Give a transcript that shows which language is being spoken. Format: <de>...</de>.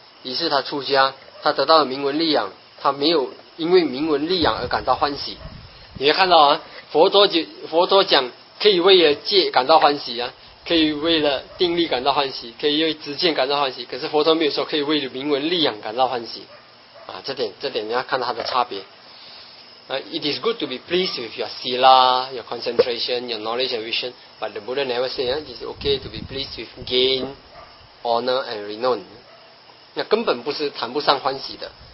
<zh>于是他出家，他得到了名闻利养，他没有因为名闻利养而感到欢喜。你看到啊，佛陀讲可以为了戒感到欢喜啊，可以为了定力感到欢喜，可以为直见感到欢喜，可是佛陀没有说可以为了名闻利养感到欢喜啊。这点你要看到它的差别。</zh> <en>It is good to be pleased with your sila, your concentration, your knowledge and vision, but the Buddha never say it is okay to be pleased with gain, honor and renown.</en> <zh>那根本不是谈不上欢喜的。</zh>